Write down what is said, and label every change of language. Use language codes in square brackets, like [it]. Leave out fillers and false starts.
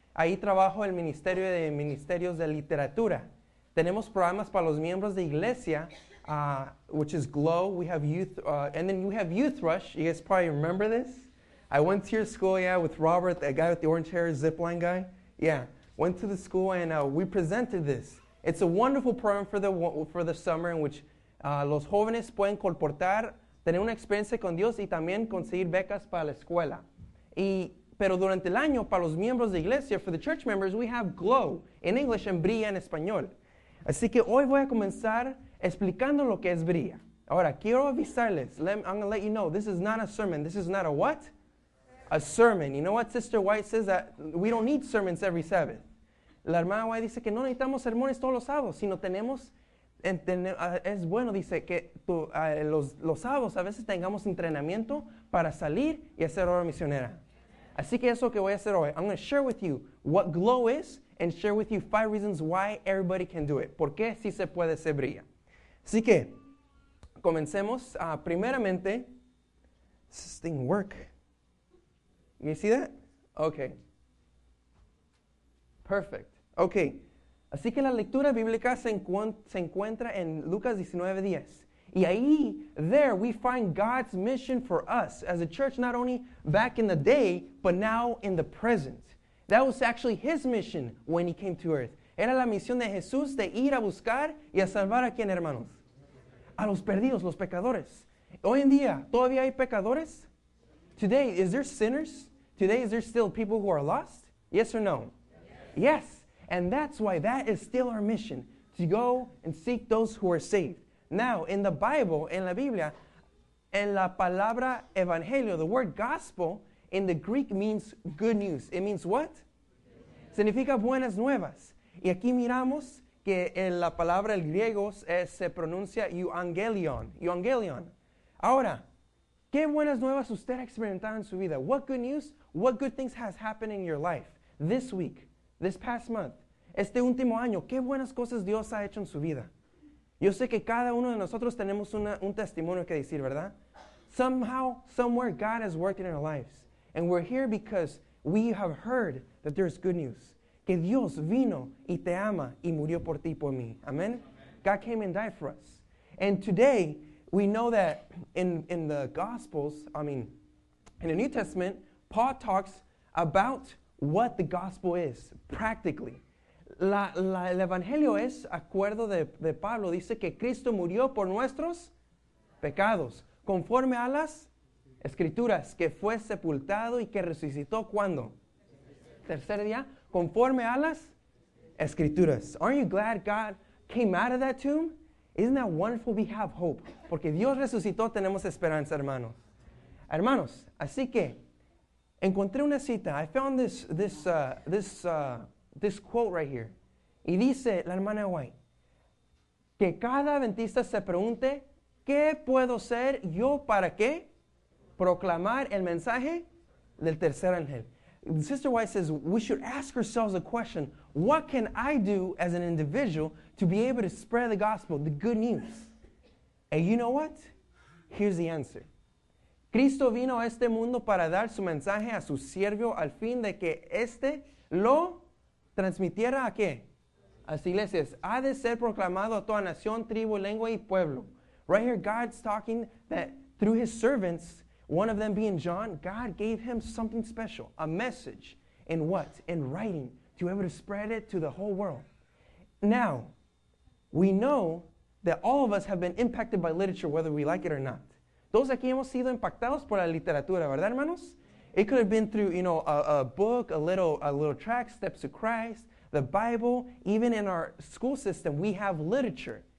[es] Ahí trabajo el Ministerio de Ministerios de Literatura. Tenemos programas para los miembros de Iglesia, [en] which is GLOW. We have Youth, and then we have Youth Rush. You guys probably remember this. I went to your school, yeah, with Robert, the guy with the orange hair, zipline guy. Yeah, went to the school, and we presented this. It's a wonderful program for the summer in which [es] los jóvenes pueden colportar, tener una experiencia con Dios y también conseguir becas para la escuela. Pero durante el año, para los miembros de iglesia, [en] for the church members, we have GLOW in English and [es] Brilla en español. Así que hoy voy a comenzar explicando lo que es Brilla. Ahora, quiero avisarles. [en] I'm going to let you know, this is not a sermon. This is not a what? A sermon. You know what? Sister White says that we don't need sermons every Sabbath. [es] La hermana White dice que no necesitamos sermones todos los sábados, sino tenemos... es bueno, dice, que los sábados a veces tengamos entrenamiento para salir y hacer obra misionera. Así que eso que voy a hacer hoy. [en] I'm going to share with you what GLOW is and share with you 5 reasons why everybody can do it. [es] ¿Por qué si se puede se brilla? Así que, comencemos primeramente. [en] Does this thing work? You see that? Okay. Perfect. Okay. [es] Así que la lectura bíblica se encuentra en Lucas 19:10. Y ahí, [en] there, we find God's mission for us as a church, not only back in the day, but now in the present. That was actually his mission when he came to earth. [es] Era la misión de Jesús de ir a buscar y a salvar a quién, hermanos? A los perdidos, los pecadores. Hoy en día, ¿todavía hay pecadores? [en] Today, is there sinners? Today, is there still people who are lost? Yes or no? Yes. And that's why that is still our mission, to go and seek those who are saved. Now, in the Bible, in [es] la Biblia, en la palabra evangelio, [en] the word gospel in the Greek means good news. It means what? [es] Significa buenas nuevas. Y aquí miramos que en la palabra el griego se pronuncia euangelion, euangelion. Ahora, ¿qué buenas nuevas usted ha experimentado en su vida? [en] What good news? What good things has happened in your life this week, this past month, este último año? [es] ¿Qué buenas cosas Dios ha hecho en su vida? Yo sé que cada uno de nosotros tenemos un testimonio que decir, ¿verdad? [en] Somehow, somewhere, God has worked in our lives. And we're here because we have heard that there's good news. [es] Que Dios vino y te ama y murió por ti y por mí. [en] Amen? God came and died for us. And today, we know that in the Gospels, I mean, in the New Testament, Paul talks about what the gospel is practically. [es] El Evangelio es, acuerdo de Pablo, dice que Cristo murió por nuestros pecados, conforme a las Escrituras, que fue sepultado y que resucitó, ¿cuándo? Tercer día, conforme a las Escrituras. [en] Aren't you glad God came out of that tomb? Isn't that wonderful? We have hope. [es] Porque Dios resucitó, tenemos esperanza, hermanos. Hermanos, así que, encontré una cita. [en] I found this quote right here. [es] Y dice la hermana White, que cada adventista se pregunte, ¿qué puedo ser yo para qué? Proclamar el mensaje del tercer ángel. [en] Sister White says, we should ask ourselves a question. What can I do as an individual to be able to spread the gospel, the good news? And you know what? Here's the answer. [es] Cristo vino a este mundo para dar su mensaje a su siervo al fin de que este lo transmitiera a qué? A las iglesias. Ha de ser proclamado a toda nación, tribu, lengua y pueblo. [en] Right here, God's talking that through his servants, one of them being John, God gave him something special, a message in what? In writing, to be able to spread it to the whole world. Now, we know that all of us have been impacted by literature, whether we like it or not. [es] Todos aquí hemos sido impactados por la literatura, ¿verdad, hermanos? [en] It could have been through, you know, a book, a little tract, Steps to Christ, the Bible. Even in our school system, we have literature.